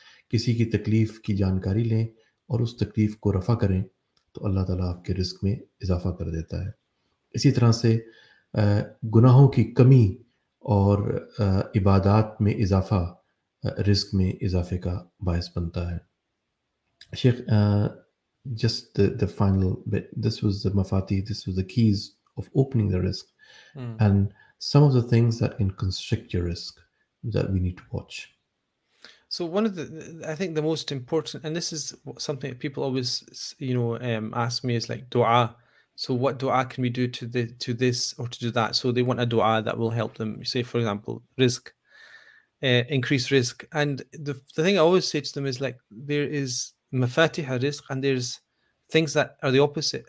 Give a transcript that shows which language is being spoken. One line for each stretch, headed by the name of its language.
Urdu: کسی کی تکلیف کی جانکاری لیں اور اس تکلیف کو رفع کریں تو اللہ تعالیٰ آپ کے رزق میں اضافہ کر دیتا ہے. اسی طرح سے گناہوں کی کمی اور عبادات میں اضافہ رزق میں اضافے کا باعث بنتا ہے.
English: شیخ, just the final, this was the مفاتی, this was the keys of opening the رزق and some of the things that can construct your رزق that we need to watch. So one of the, I think the most important, and this is something that people always, you know, ask me is like dua. So what dua can we do to this or to do that? So they want a dua that will help them, say, for example, rizq, increase rizq. And the thing I always say to them is like, there is mafatih rizq and there's things that are the opposite.